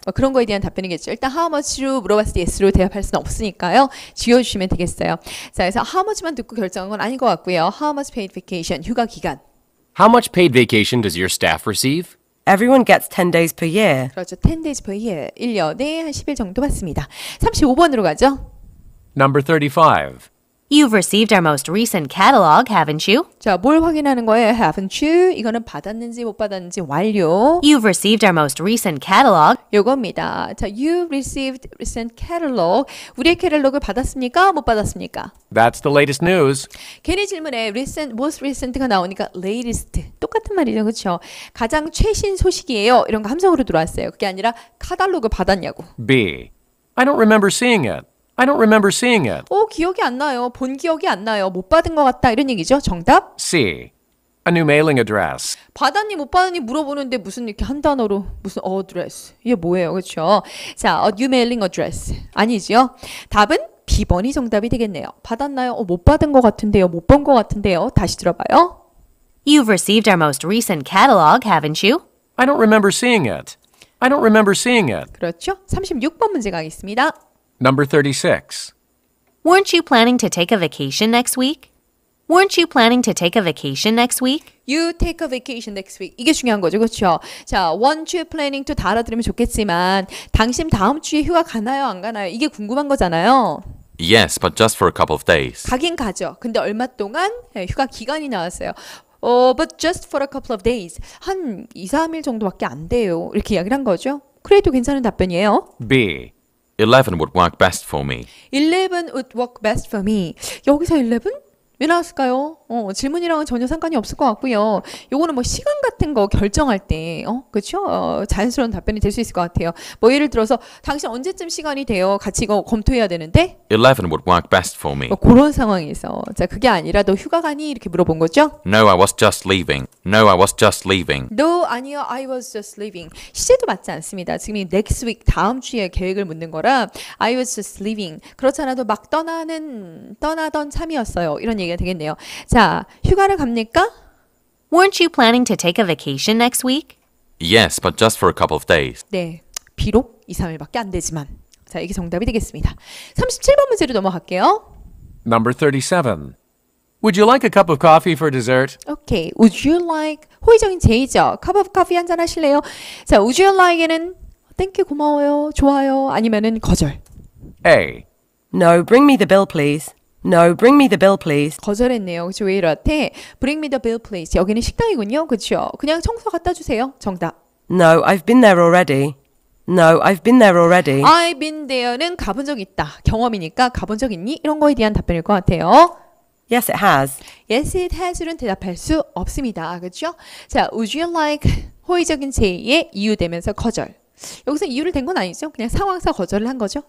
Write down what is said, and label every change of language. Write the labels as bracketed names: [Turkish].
[Korean] 뭐 그런 거에 대한 답변이겠죠. 일단 how much로 물어봤을 때 yes로 대답할 수는 없으니까요. 지어주시면 되겠어요. 자, 그래서 how much만 듣고 결정한 건 아닌 것 같고요. [English] How much paid vacation, [Korean] 휴가 기간. [English] How much paid vacation does your staff receive? Everyone gets 10 days per year. [Korean] 그렇죠. [English] 10 days per year. [Korean] 1년에 한 10일 정도 받습니다. 35번으로 가죠. [English] Number 35. You've received our most recent catalog, haven't you? [Korean] 자, 뭘 확인하는 거예요? [English] Haven't you? [Korean] 이거는 받았는지 못 받았는지 완료. [English] You've received our most recent catalog. [Korean] 요겁니다. [English] 자, you've received recent catalog. [Korean] 우리의 캐럴로그를 받았습니까? 못 받았습니까? [English] That's the latest news. [Korean] 괜히 질문에 recent, most recent가 나오니까 latest. 똑같은 말이죠, 그렇죠? 가장 최신 소식이에요. 이런 거 함성으로 들어왔어요. 그게 아니라 카탈로그 받았냐고. [English] B. I don't remember seeing it. I don't remember seeing it. [Korean] 오, 기억이 안 나요. 본 기억이 안 나요. 못 받은 것 같다. 이런 얘기죠. 정답? [English] C. A new mailing address. [Korean] 받았니 못 받았니 물어보는데 무슨 이렇게 한 단어로 무슨 address. 이게 뭐예요? 그렇죠? 자, [English] a new mailing address. [Korean] 아니지요? 답은 B번이 정답이 되겠네요. 받았나요? 못 받은 것 같은데요. 못 본 것 같은데요. 다시 들어봐요. [English] You've received our most recent catalog, haven't you? I don't remember seeing it. I don't remember seeing it. [Korean] 그렇죠? 36번 문제 가겠습니다. [English] Number 36. Weren't you planning to take a vacation next week? Weren't you planning to take a vacation next week? You take a vacation next week. [Korean] 이게 중요한 거죠. 그렇죠? 자, [English] weren't you planning to [Korean] 다 알아들으면 좋겠지만 당신 다음 주에 휴가 가나요, 안 가나요? 이게 궁금한 거잖아요. [English] Yes, but just for a couple of days. [Korean] 가긴 가죠. 근데 얼마 동안? 네, 휴가 기간이 나왔어요. [English] But just for a couple of days. [Korean] 한 2, 3일 정도밖에 안 돼요. 이렇게 이야기를 한 거죠. 그래도 괜찮은 답변이에요. [English] B. 11 would work best for me. 11 would work best for me. [Korean] 여기서 11? 왜 나왔을까요? 질문이랑은 전혀 상관이 없을 것 같고요. 요거는 뭐 시간 같은 거 결정할 때, 그렇죠? 자연스러운 답변이 될 수 있을 것 같아요. 뭐 예를 들어서 당신 언제쯤 시간이 돼요? 같이 이거 검토해야 되는데? [English] 11 would work best for me. [Korean] 뭐 그런 상황에서. 자, 그게 아니라 너 휴가 가니? 이렇게 물어본 거죠? [English] No, I was just leaving. No, I was just leaving. No, [Korean] 아니요. [English] I was just leaving. [Korean] 시제도 맞지 않습니다. 지금 이 next week, 다음 주에 계획을 묻는 거라 [English] I was just leaving. [Korean] 그렇잖아도 막 떠나던 참이었어요. 이런 얘기가 되겠네요. 자, 휴가를 갑니까? [English] Weren't you planning to take a vacation next week? Yes, but just for a couple of days. [Korean] 네, 비록 2, 3일밖에 안 되지만. 자, 이게 정답이 되겠습니다. 37번 문제로 넘어갈게요. [English] Number 37. Would you like a cup of coffee for dessert? Okay, would you like... [Korean] 호의적인 제의죠. Cup of coffee 한잔 하실래요? 자, [English] would you like [Korean] 에는 [English] Thank you, [Korean] 고마워요. 좋아요. 아니면은 거절. [English] A. No, bring me the bill, please. No, bring me the bill, please. [Korean] 거절했네요. 그쵸, 왜 이렇대? [English] Bring me the bill, please. [Korean] 여기는 식당이군요. 그쵸? 그냥 청소 갖다 주세요. 정답. [English] No, I've been there already. No, I've been there already. [Korean] I've been there는 가본 적 있다. 경험이니까 가본 적 있니? 이런 거에 대한 답변일 것 같아요. [English] Yes, it has. Yes, it has. [Korean] 는 대답할 수 없습니다. 그쵸? 자, [English] would you like [Korean] 호의적인 제의에 이유되면서 거절. 여기서 이유를 댄 건 아니죠. 그냥 상황상 거절을 한 거죠.